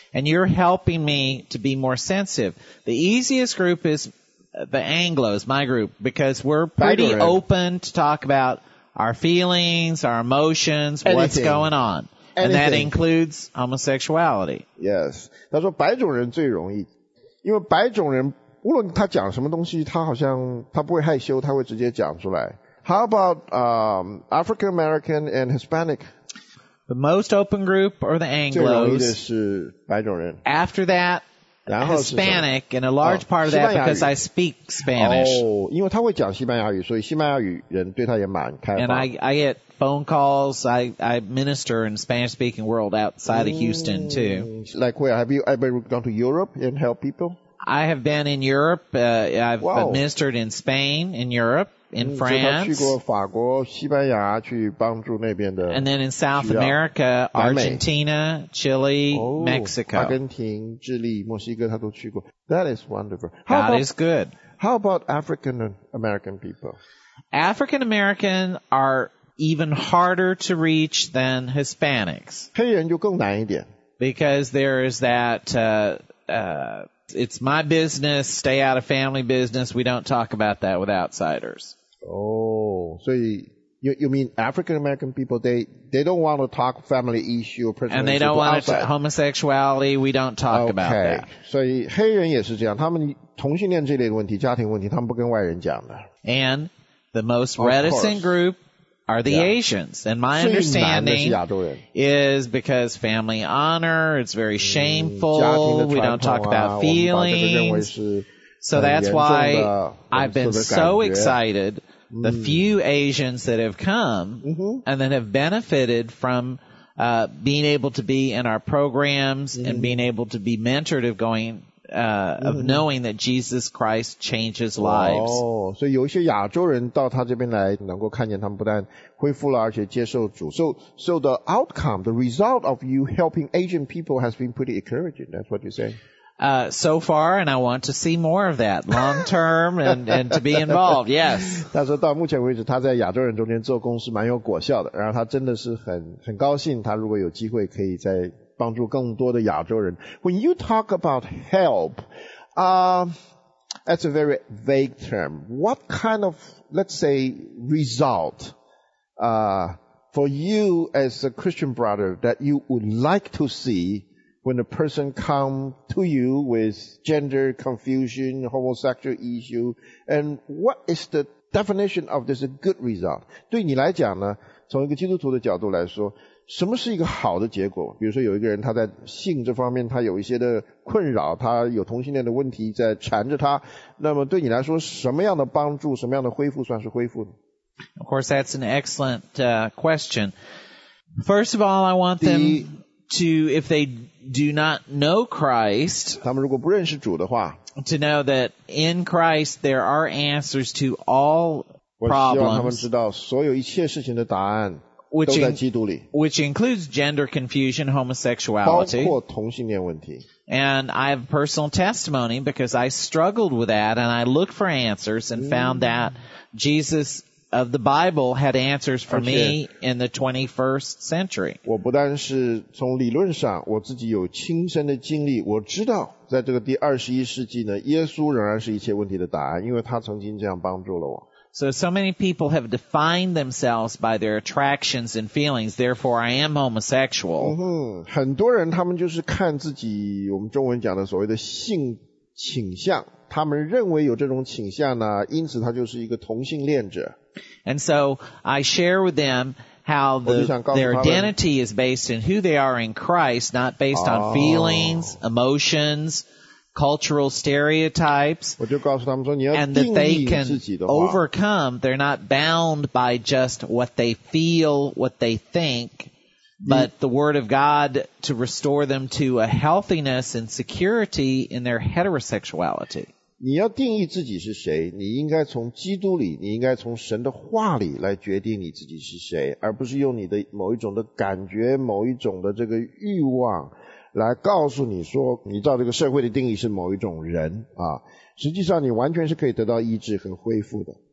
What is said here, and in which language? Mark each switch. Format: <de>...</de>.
<en>And you're helping me to be more sensitive. The easiest group is the Anglos, my group, because we're pretty open to talk about our feelings, our emotions, anything. What's going on. And that includes homosexuality. Yes.</en> <zh>他说白种人最容易，因为白种人无论他讲什么东西，他好像他不会害羞，他会直接讲出来。</zh> <en>How about African American and Hispanic? The most open group are the Anglos.</en> <zh>最容易的是白种人。</zh> <en>After that, Hispanic, and a large part of that because I speak Spanish.</en> <zh>哦，因为他会讲西班牙语，所以西班牙语人对他也蛮开放。</zh> <en>And I get phone calls. I minister in Spanish speaking world outside of Houston too. Like where have you ever gone to Europe and help people? I have been in Europe, ministered in Spain, in Europe, in France.</en> <zh>去过法国、西班牙去帮助那边的。</zh> <en>And then in South America, Argentina, Chile, Mexico.</en> <zh>阿根廷、智利、墨西哥他都去过。</zh> <en>That is wonderful. That is good. How about African American people? African American are even harder to reach than Hispanics.</en> <zh>黑人就更难一点。</zh> <en>Because there is that, it's my business, stay out of family business. We don't talk about that with outsiders. Oh, so you mean African-American people, they don't want to talk family issue or personal And they don't want to homosexuality. We don't talk about that.</en> <zh>Okay, so 黑人也是这样。他们同性恋这类的问题、家庭问题，他们不跟外人讲的。</zh> <en>And the most reticent group are the Asians. And my understanding is because family honor, it's very shameful, we don't talk about feelings. So that's why I've been so excited the few Asians that have come and then have benefited from being able to be in our programs and being able to be mentored of going... of knowing that Jesus Christ changes lives.</en> <zh>所以有一些亚洲人到他这边来能够看见他们不但恢复了而且接受主。</zh> <en>So the outcome, the result of you helping Asian people has been pretty encouraging, that's what you're saying. So far, and I want to see more of that long term and to be involved, yes.</en> <zh>他说到目前为止他在亚洲人中间做工是蛮有果效的，然后他真的是很高兴他如果有机会可以在帮助更多的亚洲人。</zh> <en>When you talk about help, that's a very vague term. What kind of, let's say, result, for you as a Christian brother that you would like to see when a person come to you with gender confusion, homosexual issue, and what is the definition of this a good result?</en> <zh>对你来讲呢，从一个基督徒的角度来说，什么是一个好的结果？比如说有一个人他在性这方面他有一些的困扰，他有同性恋的问题在缠着他，那么对你来说什么样的帮助，什么样的恢复算是恢复呢？</zh> <en>Of course, that's an excellent question. First of all, I want them to, if they do not know Christ,</en> <zh>他们如果不认识主的话，</zh> <en>to know that in Christ there are answers to all problems.</en> <zh>我希望他们知道所有一切事情的答案</zh> <en>Which includes gender confusion, homosexuality.</en> <zh>包括同性恋问题。</zh> <en>And I have a personal testimony because I struggled with that and I looked for answers and found that Jesus of the Bible had answers for me in the 21st century.</en> <zh>我不但是从理论上我自己有亲身的经历，我知道在这个第21世纪呢，耶稣仍然是一切问题的答案，因为他曾经这样帮助了我。</zh> <en>So many people have defined themselves by their attractions and feelings, therefore I am homosexual.</en> <zh>很多人他们就是看自己我们中文讲的所谓的性倾向，他们认为有这种倾向呢，因此他就是一个同性恋者。</zh> <en>And so I share with them how their identity is based in who they are in Christ, not based on feelings, emotions,cultural stereotypes, and that they can overcome, they're not bound by just what they feel, what they think, but the word of God to restore them to a healthiness and security in their heterosexuality.</en> <zh>你要定义自己是谁，你应该从基督里，你应该从神的话里来决定你自己是谁，而不是用你的某一种的感觉，某一种的这个欲望来告诉你说你照这个社会的定义是某一种人啊，实际上你完全是可以得到医治和恢复的。</zh>